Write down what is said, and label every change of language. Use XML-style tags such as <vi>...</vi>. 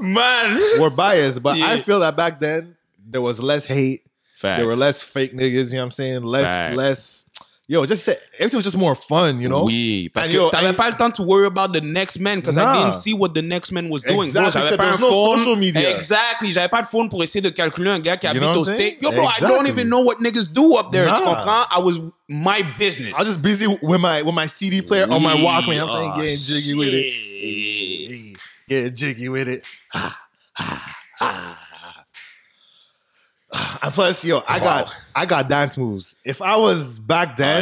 <en>Man! We're biased, but I feel that back then, there was less hate. Facts. There were less fake niggas, you know what I'm saying? Less Yo, just say everything was just more fun, you know?</en> <fr>Oui, parce que t'avais pas le temps</fr> <en>to worry about the next man because I didn't see what the next man was doing.</en> <fr>Exactly, bro, j'avais pas un phone.</fr> <en>Social media.</en> <fr>Exactly, j'avais pas de phone pour essayer de calculer un gars qui habite au state.</fr> <en>Yo, bro, exactly. I don't even know what niggas do up there. Nah.</en> <fr>Tu comprends?</fr> <en>I was my business. I was just busy with my CD player on my Walkman. I'm saying, getting jiggy with it. Getting jiggy with it. And plus, yo, I got dance moves. If I was back then,</en>